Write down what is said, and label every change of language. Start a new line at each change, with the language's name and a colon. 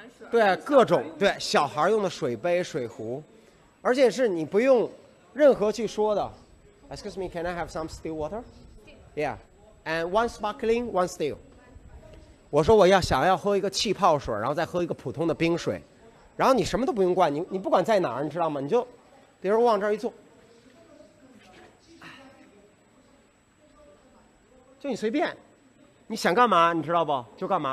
Chinese: 对，各种，对，小孩用的水杯水壶，而且是你不用任何去说的。
English: Excuse me, can I have some still water? Yeah, and one sparkling, one still.
Chinese: 我说我要想要喝一个气泡水，然后再喝一个普通的冰水，然后你什么都不用灌，你不管在哪儿，你知道吗？你就比如往这儿一坐，就你随便，你想干嘛你知道不就干嘛。